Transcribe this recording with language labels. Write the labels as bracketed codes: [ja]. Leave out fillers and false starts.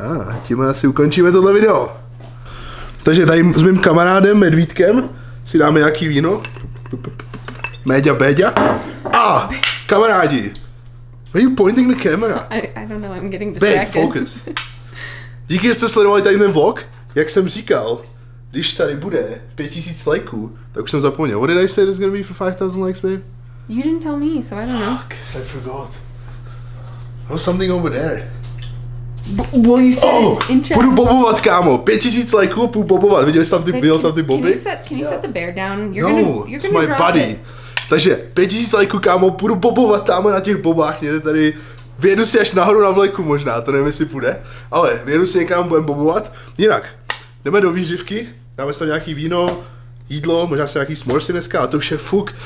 [cs] A tím asi ukončíme tohle video. Takže tady s mým kamarádem Medvídkem si dáme nějaký víno. Méďa, Béďa. A kamarádi! [en] Why are you pointing the camera? I don't know, I'm getting distracted. Babe, focus. [cs] Díky, že jste sledovali tady ten vlog. Jak jsem říkal, když tady bude 5000 lajků, tak už jsem zapomněl. [en] What did I say there's gonna be for 5000 likes, babe? You didn't tell me, so I don't know. Fuck, I forgot. There was something over there. Will you say in chat? [cs] Budu bobovat, kámo. 5000 lajků, půl bobovat. Viděl jsi tam ty boby? [en] Can you set the bear down? You're gonna my buddy. [cs] Takže 5000 lajků, kámo, půjdu bobovat tam na těch bobách. Mě tady vyjedu si až nahoru na vleku možná, to nevím, jestli půjde. Ale vyjedu si někam, budem bobovat. Jinak, jdeme do výřivky, dáme si tam nějaký víno, jídlo, možná si nějaký smorsy dneska, a to už je fuk.